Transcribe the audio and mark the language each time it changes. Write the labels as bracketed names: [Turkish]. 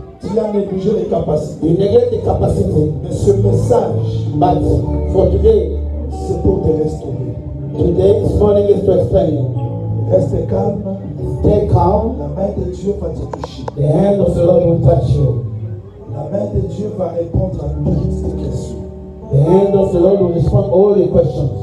[French] Tu as négligé les capacités. [English] You neglect the capacity. [French] Mais ce message, [English] but for today, [French] c'est pour te restaurer. [English] Today, this morning is to explain you. [French] Reste calme. [English] Stay calm. [French] La main de Dieu va te toucher. [English] The hand of the Lord will touch you. [French] La main de Dieu va répondre à toutes tes questions. [English] The hand of the Lord will respond all your questions.